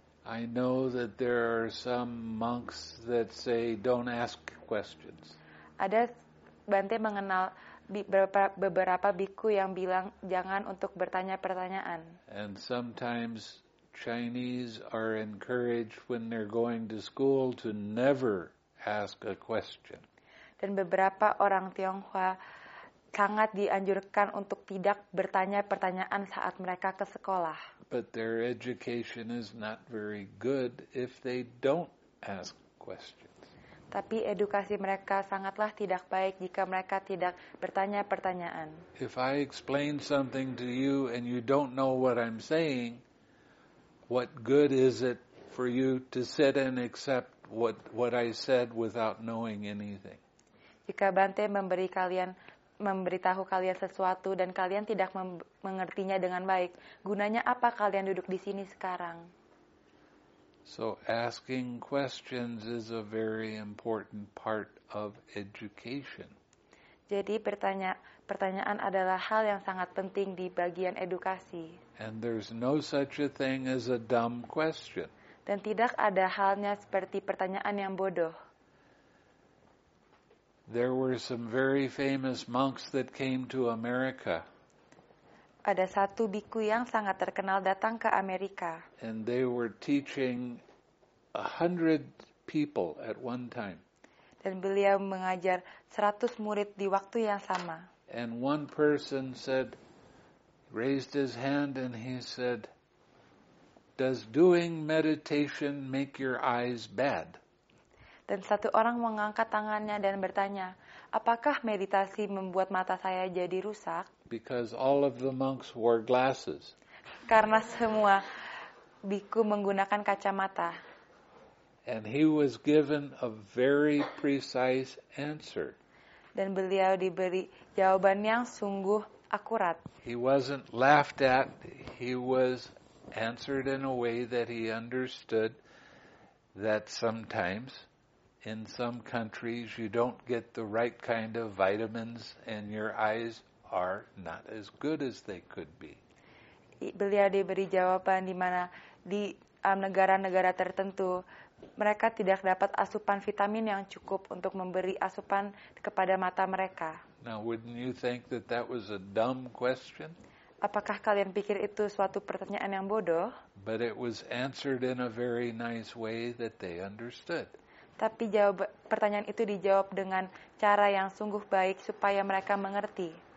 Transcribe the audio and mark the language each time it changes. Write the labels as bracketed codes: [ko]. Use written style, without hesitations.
[en] I know that there are some monks that say don't ask questions. [id] Ada Bante mengenal beberapa bhikkhu yang bilang jangan untuk bertanya pertanyaan. [en] And sometimes Chinese are encouraged when they're going to school to never ask a question. [id] Dan beberapa orang Tionghoa sangat dianjurkan untuk tidak bertanya pertanyaan saat mereka ke sekolah. [en] But their education is not very good if they don't ask questions. [id] Tapi edukasi mereka sangatlah tidak baik jika mereka tidak bertanya pertanyaan. [en] If I explain something to you and you don't know what I'm saying, what good is it for you to sit and accept what I said without knowing anything? [id] Jika Bante memberitahu kalian sesuatu dan kalian tidak mengertinya dengan baik, gunanya apa kalian duduk di sini sekarang? [en] So asking questions is a very important part of education. [id] Jadi pertanyaan adalah hal yang sangat penting di bagian edukasi. [en] And there's no such a thing as a dumb question. [id] Dan tidak ada halnya seperti pertanyaan yang bodoh. [en] There were some very famous monks that came to America. [id] Ada satu bhikkhu yang sangat terkenal datang ke Amerika. [en] And they were teaching 100 people at one time. [id] Dan beliau mengajar 100 murid di waktu yang sama. [en] And one person said, raised his hand and he said, does doing meditation make your eyes bad? [id] Dan satu orang mengangkat tangannya dan bertanya, apakah meditasi membuat mata saya jadi rusak? [en] Because all of the monks wore glasses. [id] Karena semua bhikkhu menggunakan kacamata. [en] And he was given a very precise answer. [id] Dan beliau diberi jawaban yang sungguh akurat. [en] He wasn't laughed at, he was answered in a way that he understood that sometimes in some countries you don't get the right kind of vitamins and your eyes are not as good as they could be. [id] Beliau diberi jawaban di mana di negara-negara tertentu mereka tidak dapat asupan vitamin yang cukup untuk memberi asupan kepada mata mereka. [en] Now wouldn't you think that that was a dumb question? [id] Apakah kalian pikir itu suatu pertanyaan yang bodoh? [en] But it was answered in a very nice way that they understood. [id] Tapi pertanyaan itu dijawab dengan cara yang sungguh baik supaya mereka mengerti.